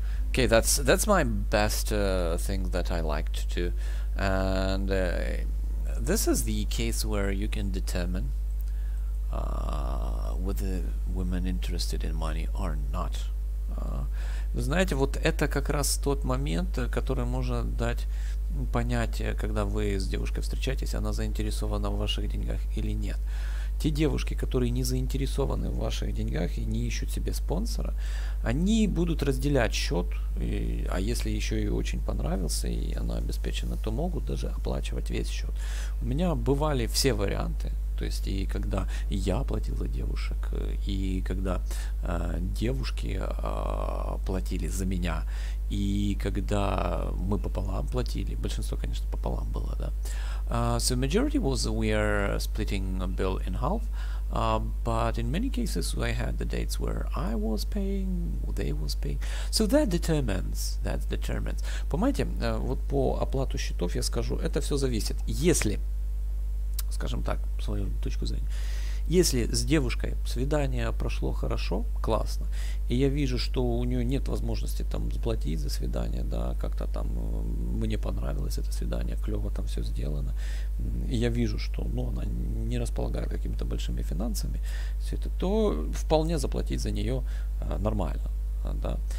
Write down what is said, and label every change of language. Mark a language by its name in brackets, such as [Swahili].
[English] Okay, that's my best thing that I liked to, and this is the case where you can determine whether women interested in money or not. [Russian] Вы знаете, вот это как раз тот момент, который можно дать понятие, когда вы с девушкой встречаетесь, она заинтересована в ваших деньгах или нет. Те девушки, которые не заинтересованы в ваших деньгах и не ищут себе спонсора, они будут разделять счет, а если еще и очень понравился, и она обеспечена, то могут даже оплачивать весь счет. У меня бывали все варианты, то есть и когда я платил за девушек, и когда девушки платили за меня, и когда мы пополам платили, большинство, конечно, пополам было, да. [English] So majority was we are splitting a bill in half, but in many cases I had the dates where I was paying, they was paying. So that determines. [Russian] Понимаете, вот по оплату счетов я скажу, это все зависит. Если, скажем так, свою точку зрения, если с девушкой свидание прошло хорошо, классно, и я вижу, что у нее нет возможности там заплатить за свидание, да, как-то там мне понравилось это свидание, клево там все сделано, и я вижу, что, ну, она не располагает какими-то большими финансами, все это, то вполне заплатить за нее нормально, да.